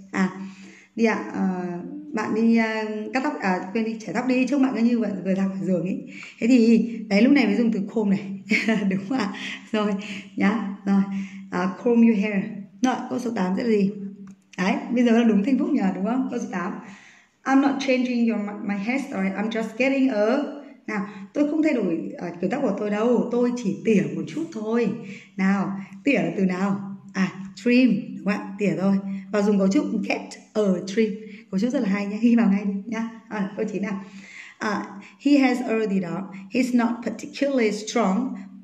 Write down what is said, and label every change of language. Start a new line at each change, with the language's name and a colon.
Vietnamese: À, đi ạ. Bạn đi cắt tóc, à quên đi, chải tóc đi, trông bạn như vậy vừa ra khỏi giường ấy. Thế thì đấy, lúc này mới dùng từ comb này. Đúng không ạ? Rồi nhá. Rồi,
English: comb your hair.
Vietnamese: Rồi, câu số 8 sẽ là gì? Đấy, bây giờ là đúng thanh phúc nhờ, đúng không? Câu số 8.
English: I'm not changing my hair story, I'm just getting a.
Vietnamese: Nào, tôi không thay đổi kiểu tóc của tôi đâu, tôi chỉ tỉa một chút thôi. Nào, tỉa là từ nào? À, trim, đúng không ạ? Tỉa thôi. Và dùng cấu trúc get a trim. Cấu trúc rất là hay nhé, ghi vào ngay đi nhá. À, câu 9 nào.
English: He has a gì đó. He's not particularly strong.